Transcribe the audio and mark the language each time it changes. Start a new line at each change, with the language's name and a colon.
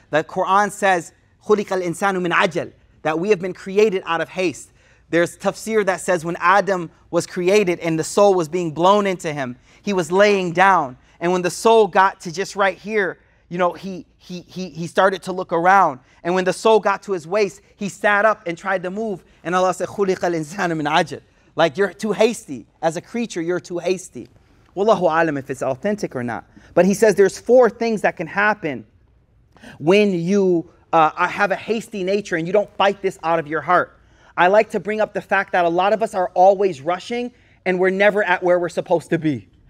English: The Quran says,
Arabic: خُلِقَ الْإِنسَانُ مِنْ عَجَلٍ,
English: that we have been created out of haste. There's tafsir that says when Adam was created and the soul was being blown into him, he was laying down. And when the soul got to just right here, you know, he started to look around. And when the soul got to his waist, he sat up and tried to move. And Allah said,
Arabic: خُلِقَ الْإِنسَانُ مِنْ عَجَلٍ.
English: Like you're too hasty. As a creature, you're too hasty. Wallahu alam if it's authentic or not. But he says there's four things that can happen when you have a hasty nature and you don't fight this out of your heart. I like to bring up the fact that a lot of us are always rushing and we're never at where we're supposed to be.